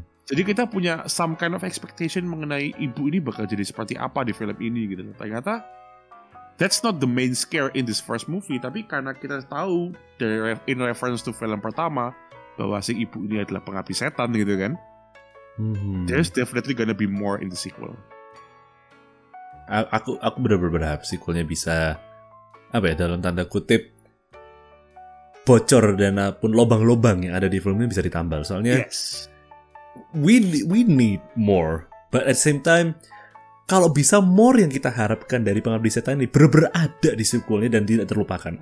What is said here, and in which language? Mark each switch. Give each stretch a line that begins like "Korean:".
Indonesian: Jadi kita punya
English: some kind of expectation
Indonesian: mengenai ibu ini bakal jadi seperti apa di film ini gitu. Ternyata
English: that's not the main scare in this first movie.
Indonesian: Tapi karena kita tahu
English: in reference to
Indonesian: film pertama bahwa si ibu ini adalah pengabdi setan gitu kan. Mm-hmm.
English: There's definitely gonna be more in the sequel.
Indonesian: Aku benar-benar berharap sequelnya bisa apa ya, dalam tanda kutip bocor dan pun lubang-lubang yang ada di film ini bisa ditambal. Soalnya
English: yes, we need more, but at the same time
Indonesian: kalau bisa more yang kita harapkan dari Pengabdi Setan ini benar-benar ada di sequelnya dan tidak terlupakan.